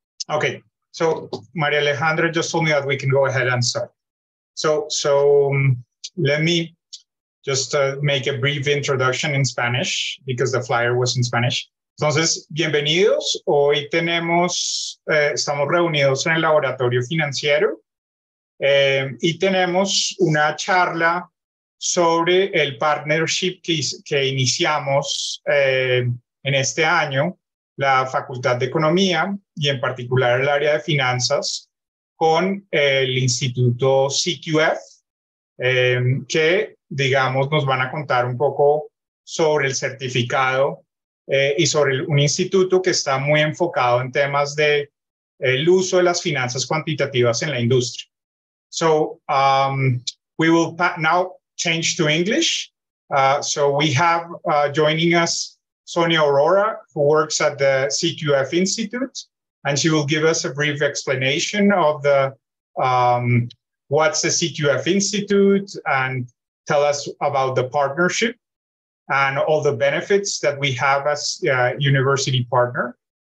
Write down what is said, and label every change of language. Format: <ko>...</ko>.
<en>Okay, so Maria Alejandra just told me that we can go ahead and start. So let me just make a brief introduction in Spanish because the flyer was in Spanish.</en> <es>Entonces, bienvenidos. Hoy tenemos, estamos reunidos en el laboratorio financiero y tenemos una charla sobre el partnership que iniciamos en este año. La Facultad de Economía y en particular el área de finanzas con el Instituto CQF, que, digamos, nos van a contar un poco sobre el certificado y sobre un instituto que está muy enfocado en temas de el uso de las finanzas cuantitativas en la industria.</es> <en>So, we will now change to English. So, we have joining us Sonia Aurora, who works at the CQF Institute, and she will give us a brief explanation of the what's the CQF Institute and tell us about the partnership and all the benefits that we have as a university partner.</en>